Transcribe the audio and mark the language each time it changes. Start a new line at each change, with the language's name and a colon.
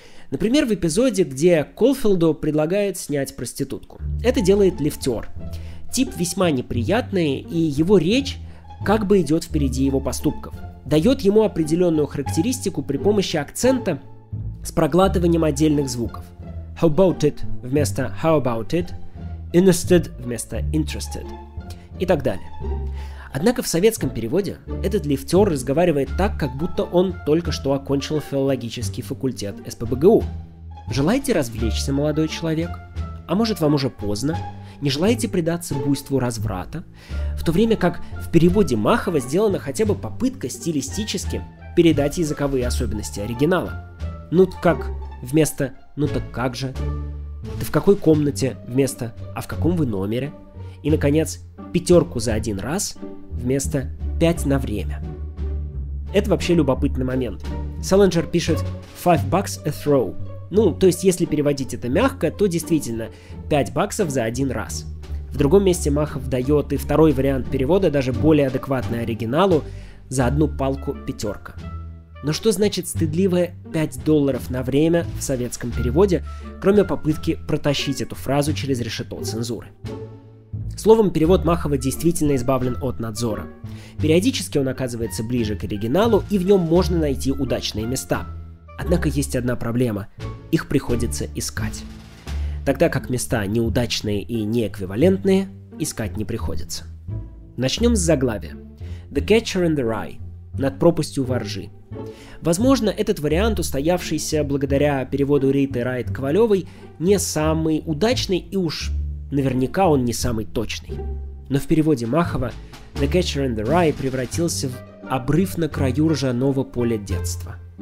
Russian: Например, в эпизоде, где Колфилду предлагают снять проститутку. Это делает лифтер. Тип весьма неприятный, и его речь как бы идет впереди его поступков. Дает ему определенную характеристику при помощи акцента с проглатыванием отдельных звуков.
English: How about it
Russian: вместо
English: how about it, interested вместо interested
Russian: и так далее. Однако в советском переводе этот лифтер разговаривает так, как будто он только что окончил филологический факультет СПбГУ. Желаете развлечься, молодой человек? А может, вам уже поздно? Не желаете предаться буйству разврата? В то время как в переводе Махова сделана хотя бы попытка стилистически передать языковые особенности оригинала. Ну как вместо «ну так как же?» «Ты в какой комнате?» вместо «а в каком вы номере?» И, наконец, «пятерку за один раз» вместо «пять на время». Это вообще любопытный момент. Саллинджер пишет
English: «five bucks a throw».
Russian: Ну, то есть, если переводить это мягко, то действительно, 5 баксов за один раз. В другом месте Махов дает и второй вариант перевода, даже более адекватный оригиналу, за одну палку пятерка. Но что значит стыдливое $5 на время в советском переводе, кроме попытки протащить эту фразу через решето цензуры? Словом, перевод Махова действительно избавлен от надзора. Периодически он оказывается ближе к оригиналу, и в нем можно найти удачные места. Однако есть одна проблема – их приходится искать. Тогда как места неудачные и неэквивалентные, искать не приходится. Начнем с заглавия.
English: «The Catcher in the Rye» –
Russian: «Над пропастью во ржи». Возможно, этот вариант, устоявшийся благодаря переводу Риты Райт Ковалевой, не самый удачный и уж наверняка он не самый точный. Но в переводе Махова
English: «The Catcher in the Rye»
Russian: превратился в «обрыв на краю ржаного поля детства».